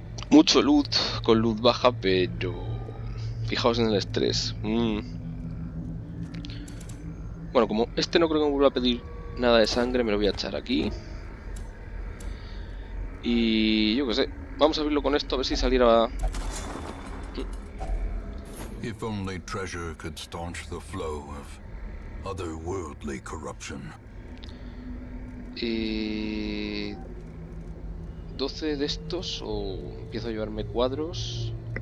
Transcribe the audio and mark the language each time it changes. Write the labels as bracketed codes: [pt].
[es] Mucho loot con luz baja, pero fijaos en el estrés. Bueno, como este no creo que me vuelva a pedir nada de sangre, me lo voy a echar aquí. Y yo qué sé, vamos a abrirlo con esto a ver si saliera. [en] If only treasure could staunch the flow of otherworldly corruption. [es] Y 12 de estos o empiezo a llevarme cuadros.